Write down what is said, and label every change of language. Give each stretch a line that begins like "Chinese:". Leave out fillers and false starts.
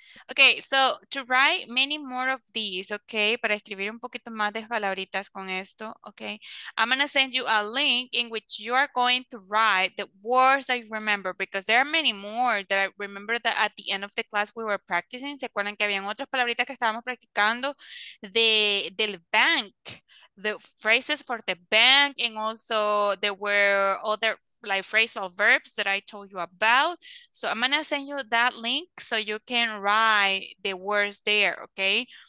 English: Okay, so to write many more of these, okay,
Spanish: para escribir un poquito más de palabritas con esto,
English: okay, I'm going to send you a link in which you are going to write the words that you remember, because there are many more that I remember that at the end of the class we were practicing.
Spanish: ¿Se acuerdan que habían otras palabritas que estábamos practicando?
English: Del bank, the phrases for the bank, and also there were other like phrasal verbs that I told you about. So I'm gonna send you that link so you can write the words there, okay?